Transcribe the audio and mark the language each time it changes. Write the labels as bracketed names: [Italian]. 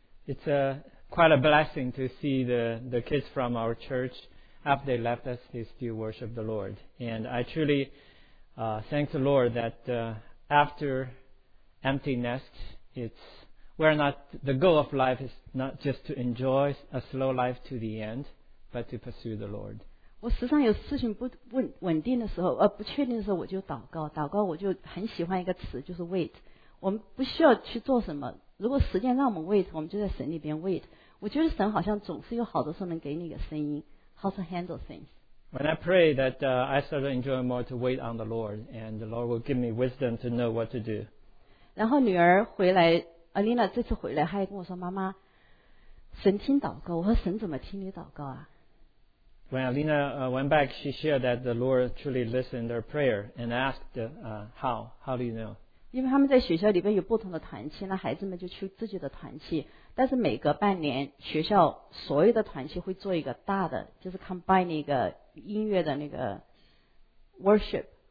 [English] It's a, quite a blessing to see the kids from our churchAfter they left us, they still worship the Lord. And I truly thank the Lord that after empty nest, the goal of life is not just to enjoy a slow life to the end, but to pursue the Lord. [Chinese] 我时常有事情不稳定的时候，不确定的时候，我就祷告。祷告我就很喜欢一个词，就是 wait。我们不需要去做什么，如果时间让我们 wait， 我们就在神里边 wait。我觉得神好像总是有好的时候能给你一个声音 [English] how to handle things. When I pray that I start to enjoy more to wait on the Lord and the Lord will give me wisdom to know what to do. [Chinese] 然后女儿回来 Alina 这次回来她还跟我说妈妈神听祷告我说神怎么听你祷告啊 [English] When Alina went back she shared that the Lord truly listened to her prayer and asked how do you know? [Chinese] 因为他们在学校里边有不同的团契那孩子们就去自己的团契但是每隔半年学校所有的团契会做一个大的就是 combine 那个音乐的那个 worship